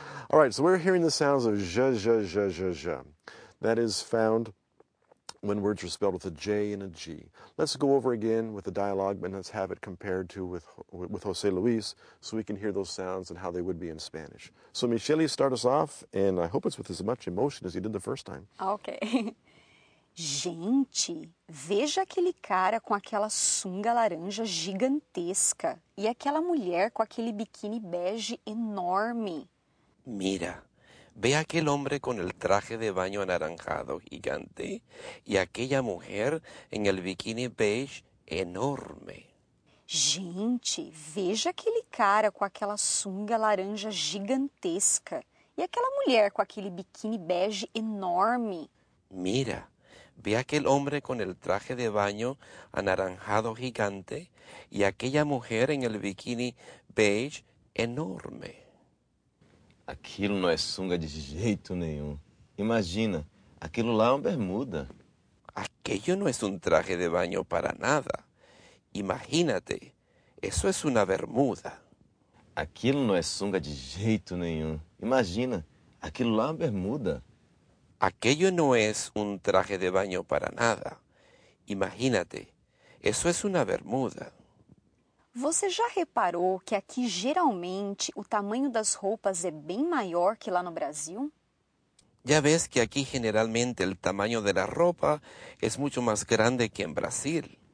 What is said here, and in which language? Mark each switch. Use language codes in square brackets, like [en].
[en] All right, so we're hearing the sounds of zh, zh, zh, zh, zh. That is found when words are spelled with a J and a G. Let's go over again with the dialogue, and let's have it compared to with José Luis so we can hear those sounds and how they would be in Spanish. So Michele, start us off, and I hope it's with as much emotion as you did the first time. Okay. [pt] Gente, veja aquele cara com aquela sunga laranja gigantesca e aquela mulher com aquele biquíni bege enorme. [es] Mira, ve aquel hombre con el traje de baño anaranjado gigante y aquella mujer en el bikini beige enorme. [pt] Gente, veja aquele cara com aquela sunga laranja gigantesca e aquela mulher com aquele biquíni bege enorme. [es] Mira, ve aquel hombre con el traje de baño anaranjado gigante y aquella mujer en el bikini beige enorme. [pt] Aquilo não é sunga de jeito nenhum. Imagina, aquilo lá é uma bermuda. [es] Aquello no es un traje de baño para nada. Imagínate, eso es una bermuda. [pt] Aquilo não é sunga de jeito nenhum. Imagina, aquilo lá é uma bermuda. [es] Aquello no es un traje de baño para nada. Imagínate, eso es una bermuda. [pt] Você já reparou que aqui geralmente o tamanho das roupas é bem maior que lá no Brasil? Já ves que aqui geralmente o tamanho da roupa é muito mais grande que em Brasil.